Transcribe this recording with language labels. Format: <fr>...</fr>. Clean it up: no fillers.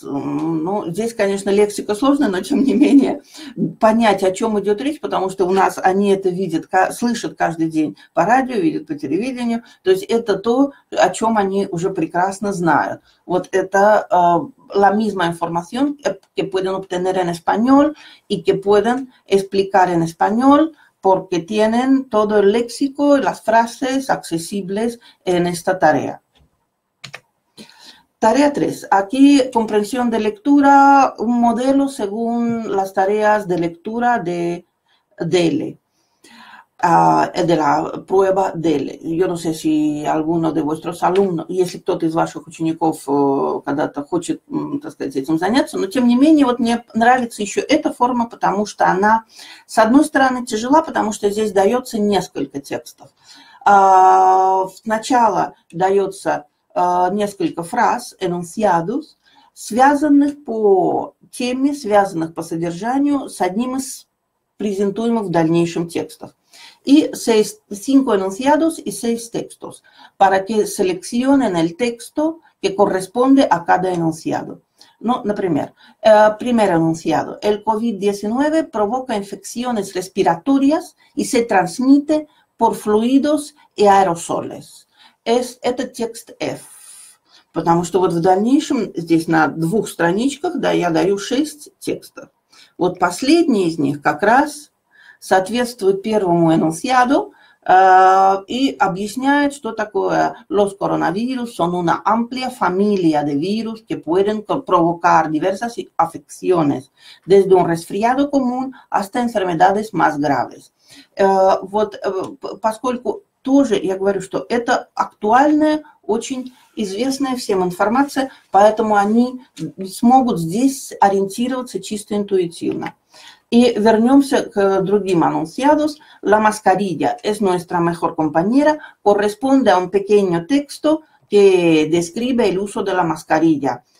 <ru>Ну, здесь, конечно, лексика сложная, но, тем не менее, понять, о чем идет речь, потому что у нас они это видят, слышат каждый день по радио, видят по телевидению. То есть это то, о чем они уже прекрасно знают. Вот это</ru> <es>la misma información que pueden obtener en español y que pueden explicar en español porque tienen todo el léxico y las frases accesibles en esta tarea. Tarea 3. Aquí comprensión de lectura, un modelo según las tareas de lectura de DELE, de la prueba DELE. Yo no sé si alguno de vuestros alumnos, y si</es> <ru>кто-то из ваших учеников когда-то хочет, так сказать, этим заняться, но тем не менее, вот мне нравится еще эта форма, потому что она, с одной стороны, тяжела, потому что здесь дается несколько текстов. Сначала дается... несколько фраз, enunciados, связанных по теме, связанных по содержанию с одним из презентуемых в дальнейшем текстов.</ru> <es>Y seis, cinco enunciados y seis textos, para que seleccionen el texto que corresponde a cada enunciado. No,</es> <ru>например,</ru> <es>primer enunciado. El COVID-19 provoca infecciones respiratorias y se transmite por fluidos y aerosoles.</es> <ru>Это текст F. Потому что вот в дальнейшем, здесь на двух страничках, да, я даю шесть текстов. Вот последний из них как раз соответствует первому enunciado и объясняет, что такое</ru> <es>los coronavirus son una amplia familia de virus que pueden provocar diversas afecciones, desde un resfriado común hasta enfermedades más graves.</es> <ru>Вот поскольку тоже я говорю, что это актуальная, очень известная всем информация, поэтому они смогут здесь ориентироваться чисто интуитивно. И вернемся к другим enunciados.</ru> <es>La mascarilla es nuestra mejor compañera corresponde a un pequeño texto que describe el uso de la mascarilla.</es>